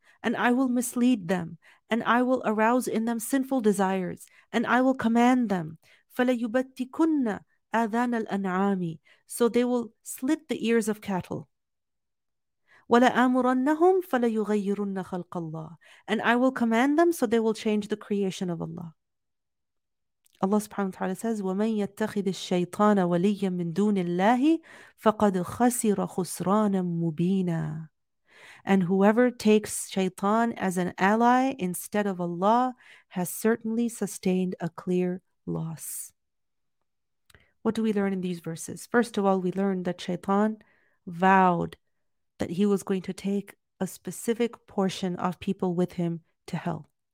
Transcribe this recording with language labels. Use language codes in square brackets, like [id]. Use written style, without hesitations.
[en] And I will mislead them, and I will arouse in them sinful desires, and I will command them. [ar] فَلَيُبَتِّكُنَّ أَذَانَ الْأَنْعَامِ. [en] So they will slit the ears of cattle. [ar] وَلَآمُرَنَّهُمْ فَلَيُغَيِّرُنَّ خَلْقَ اللَّهِ. [en] And I will command them so they will change the creation of Allah. [ar] Allah subhanahu wa ta'ala [en] says, [ar] وَمَنْ يَتَّخِذِ الشَّيْطَانَ وَلِيًّا مِنْ دُونِ اللَّهِ فَقَدْ خَسِرَ خُسْرَانًا مُبِينًا. [en] And whoever takes shaitan as an ally instead of Allah has certainly sustained a clear loss. What do we learn in these verses? First of all, we learn that shaitan vowed that he was going to take a specific portion of people with him to hell.